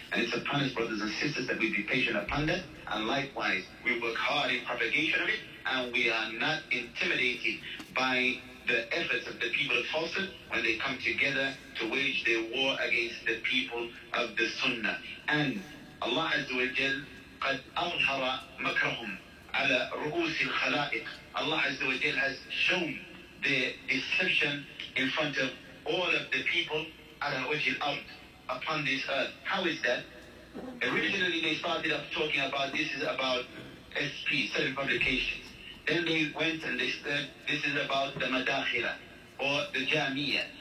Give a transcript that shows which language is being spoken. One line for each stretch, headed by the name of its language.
English: And it's upon us, brothers and sisters, that we be patient upon that. And likewise, we work hard in propagation of it and we are not intimidated by the efforts of the people of falsehood when they come together to wage their war against the people of the Sunnah. And
Arabic: Allah Azza wa Jal قد أظهر مكرهم على رؤوس الخلائق.
English: Allah Azza wa Jal has shown their deception in front of all of the people
Arabic: على وجه الأرض,
English: upon this earth. How is that? Originally they started up talking about this is about SP, self-publication. Then they went and they said, this is about the madakhira, or the jamia.